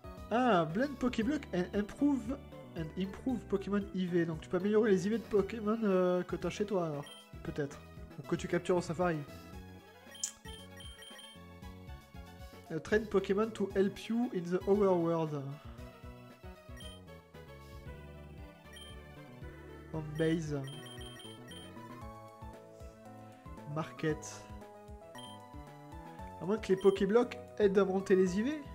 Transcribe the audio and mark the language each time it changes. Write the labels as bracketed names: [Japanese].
[English] Ah, blend Pokéblock and improve Pokémon IV. [French] Donc tu peux améliorer les IV de Pokémon que t'as chez toi alors, peut-être. Ou que tu captures au Safari. [English] Train Pokémon to help you in the overworld. [French] Base market, à moins que les Pokéblocks aident à monter les IV.